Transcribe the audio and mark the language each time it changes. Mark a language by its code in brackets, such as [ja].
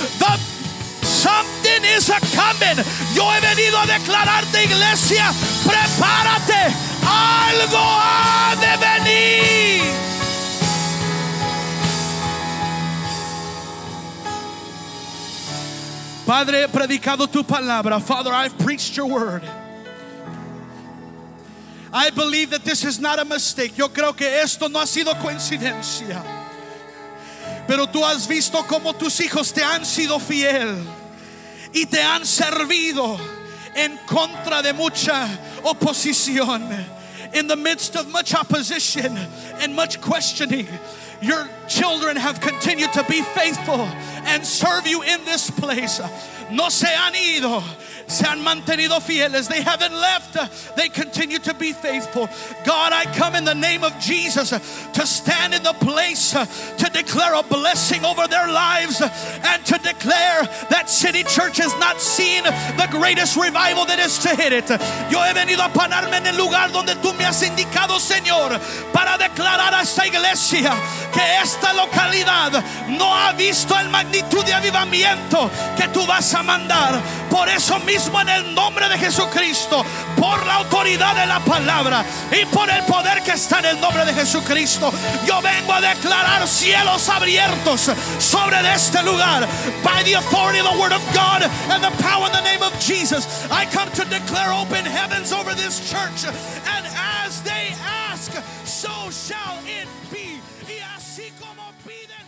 [en] The something is a coming. [es] Yo he venido a declararte, iglesia, prepárate, algo ha de venir. Padre, he predicado tu palabra. [en] Father, I've preached your word. I believe that this is not a mistake. [es] Yo creo que esto no ha sido coincidencia. Pero tú has visto cómo tus hijos te han sido fiel y te han servido en contra de mucha oposición. [en] In the midst of much opposition and much questioning, your children have continued to be faithful and serve you in this place. [es] No se han ido, se han mantenido fieles. [en] They haven't left, they continue to be faithful. God, I come in the name of Jesus to stand in the place to declare a blessing over their lives, and to declare that City Church has not seen the greatest revival that is to hit it. [es] Yo he venido a pararme en el lugar donde tú me has indicado, Señor, para declarar a esta iglesia que esta localidad no ha visto el magnitud de avivamiento que tú vas a mandar. Por eso mismo, en el nombre de Jesucristo, por la autoridad de la palabra y por el poder que está en el nombre de Jesucristo, yo vengo a declarar cielos abiertos sobre este lugar. [en] By the authority of the word of God and the power in the name of Jesus, I come to declare open heavens over this church, and as they ask, so shall it be, [es] y así como pide.